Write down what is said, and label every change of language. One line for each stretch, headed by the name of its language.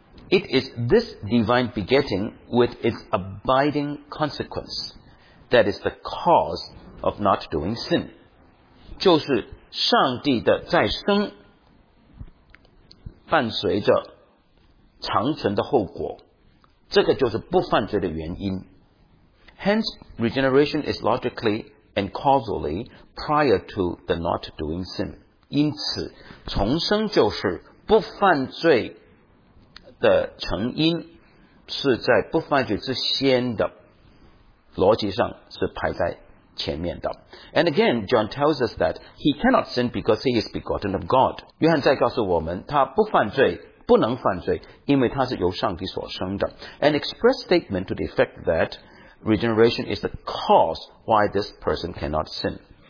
English: It is this divine begetting with its abiding consequence that is the cause of not doing sin.
Chinese: 就是 上帝的再生伴随着长存的后果，这个就是不犯罪的原因。
English: Hence, regeneration is logically and causally prior to the not doing sin.
Chinese: 因此，重生就是不犯罪的成因，是在不犯罪之先的逻辑上是排在。前面的。
English: And again, John tells us that he cannot sin because he is begotten of God.
Chinese: 约翰再告诉我们,他不犯罪,不能犯罪,因为他是由上帝所生的。
English: An express statement to the effect that regeneration is the cause why this person cannot sin.